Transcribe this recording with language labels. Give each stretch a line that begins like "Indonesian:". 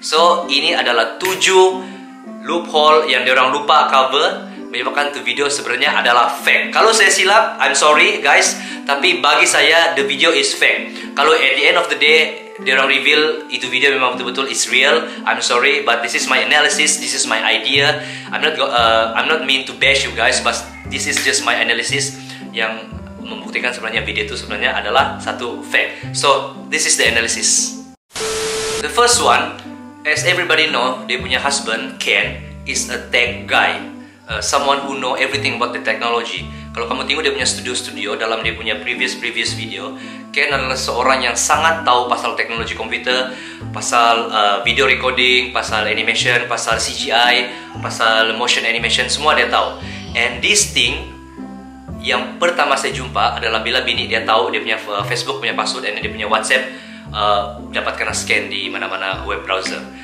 Malay: So ini adalah 7 loophole yang diorang lupa cover menyebabkan tu video sebenarnya adalah fake. Kalau saya silap,
English: I'm sorry guys,
Malay: tapi bagi saya
English: the video is fake. Kalau at the end of the day
Malay: diorang reveal itu video memang betul-betul
English: is real, I'm sorry, but this is my analysis, this is my idea. I'm not mean to bash you guys, but this is just my analysis
Malay: yang membuktikan sebenarnya video itu sebenarnya adalah satu fake.
English: So this is the analysis. The first one, as everybody know,
Malay: dia punya
English: husband Ken is a tech guy, someone who know everything about the technology.
Malay: Kalau kamu tengok dia punya studio dalam dia punya previous video, Ken adalah seorang yang sangat tahu pasal teknologi komputer, pasal video recording, pasal animation, pasal CGI, pasal motion animation, semua dia tahu.
English: And this thing
Malay: yang pertama saya jumpa adalah bila bini dia tahu dia punya Facebook punya password dan dia punya WhatsApp dapat kena scan di mana-mana web browser.